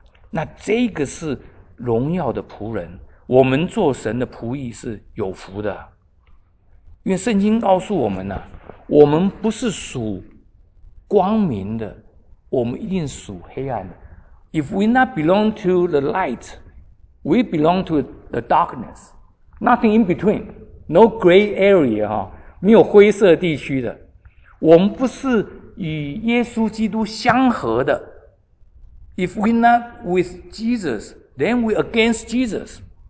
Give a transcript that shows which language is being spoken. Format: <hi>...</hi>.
<zh>那这个是荣耀的仆人，我们做神的仆役是有福的。因为圣经告诉我们、啊、我们不是属光明的，我们一定属黑暗的。</zh> <en>If we not belong to the light, we belong to the darkness. Nothing in between, no gray area,</en> <zh>没有灰色地区的。我们不是与耶稣基督相合的。</zh> <en>If we not with Jesus, then we against Jesus.</en>